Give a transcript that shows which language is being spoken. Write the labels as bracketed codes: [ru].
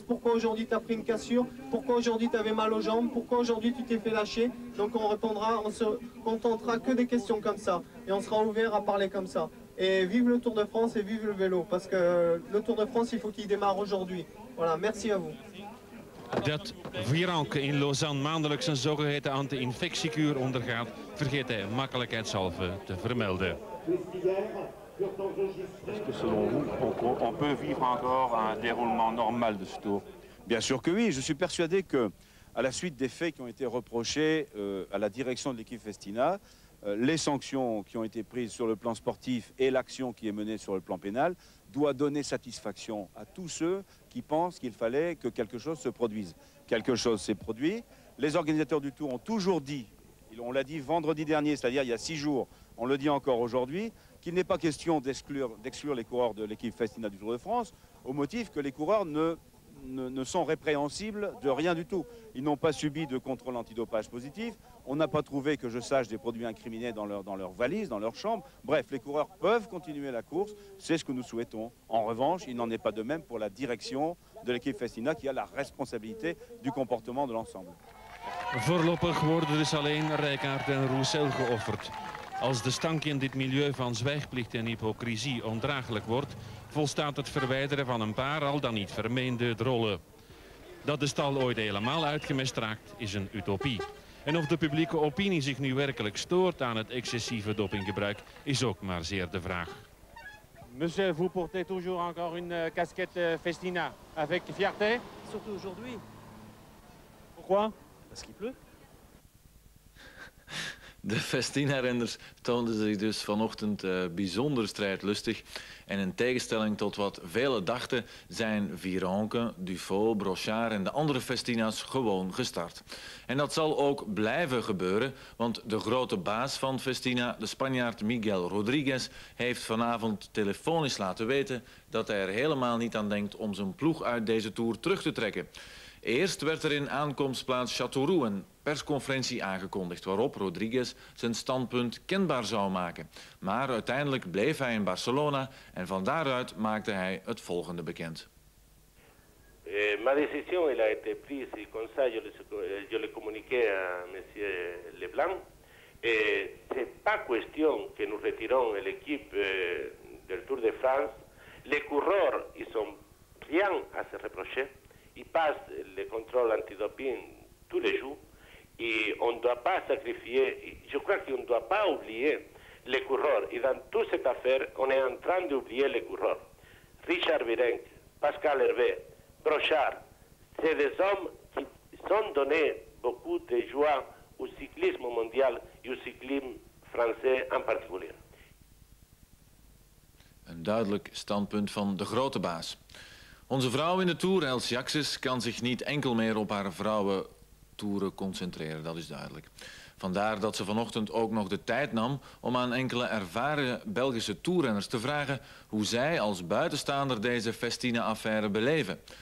[fr] Pourquoi aujourd'hui tu as pris une cassure? Pourquoi aujourd'hui tu avais mal aux jambes? Pourquoi aujourd'hui tu t'es fait lâcher? Donc on répondra, on se contentera que des questions comme ça. Et on sera ouvert à parler comme ça. Et vive le Tour de France et vive le vélo. Parce que le Tour de France, il faut qu'il démarre aujourd'hui. Voilà, merci à vous. [nl] Dat Virenque in Lausanne maandelijks een zogeheten anti-infectiekuur ondergaat, vergeet hij makkelijkheidshalve te vermelden. [fr] Est-ce que selon vous, on peut vivre encore un déroulement normal de ce tour? Bien sûr que oui, je suis persuadé que, à la suite des faits qui ont été reprochés à la direction de l'équipe Festina, les sanctions qui ont été prises sur le plan sportif et l'action qui est menée sur le plan pénal doit donner satisfaction à tous ceux qui pensent qu'il fallait que quelque chose se produise. Quelque chose s'est produit. Les organisateurs du tour ont toujours dit, on l'a dit vendredi dernier, c'est-à-dire il y a 6 jours, on le dit encore aujourd'hui, qu'il n'est pas question d'exclure les coureurs de l'équipe Festina du Tour de France au motif que les coureurs ne sont répréhensibles de rien du tout. Ils n'ont pas subi de contrôle antidopage positif. On n'a pas trouvé, que je sache, des produits incriminés dans leur valise, dans leur chambre. Bref, les coureurs peuvent continuer la course. C'est ce que nous souhaitons. En revanche, il n'en est pas de même pour la direction de l'équipe Festina qui a la responsabilité du comportement de l'ensemble. [nl] Voorlopig worden dus alleen Rijkaard en Roussel geofferd. Als de stank in dit milieu van zwijgplicht en hypocrisie ondraaglijk wordt, volstaat het verwijderen van een paar al dan niet vermeende drollen. Dat de stal ooit helemaal uitgemest raakt, is een utopie. En of de publieke opinie zich nu werkelijk stoort aan het excessieve dopinggebruik, is ook maar zeer de vraag. [fr] Monsieur, vous portez toujours encore une casquette Festina, avec fierté? Surtout aujourd'hui. Pourquoi? Parce qu'il pleut. [nl] De Festina-renners toonden zich dus vanochtend bijzonder strijdlustig. En in tegenstelling tot wat velen dachten, zijn Virenque, Dufault, Brochard en de andere Festina's gewoon gestart. En dat zal ook blijven gebeuren, want de grote baas van Festina, de Spanjaard Miguel Rodriguez, heeft vanavond telefonisch laten weten dat hij er helemaal niet aan denkt om zijn ploeg uit deze tour terug te trekken. Eerst werd er in aankomstplaats Châteauroux een persconferentie aangekondigd waarop Rodriguez zijn standpunt kenbaar zou maken. Maar uiteindelijk bleef hij in Barcelona en van daaruit maakte hij het volgende bekend. [es] Ma decisión la he [fr] été prise [es] y con ça yo le comuniqué a monsieur Leblanc. [fr] C'est pas question que nous retirons l'équipe del Tour de France. Les coureurs ils sont rien à se reprocher. Il passe le contrôle antidoping tous les jours et on ne doit pas sacrifier, je crois qu'on ne doit pas oublier les coureurs. Et dans toute cette affaire, on est en train d'oublier les coureurs. Richard Virenque, Pascal Hervé, Brochard, c'est des hommes qui ont donné beaucoup de joie au cyclisme mondial et au cyclisme français en particulier. [nl] Un duidelijk standpunt van de grote baas. Onze vrouw in de Tour, Els Jaksis, kan zich niet enkel meer op haar vrouwentoeren concentreren, dat is duidelijk. Vandaar dat ze vanochtend ook nog de tijd nam om aan enkele ervaren Belgische toerrenners te vragen hoe zij als buitenstaander deze Festina-affaire beleven.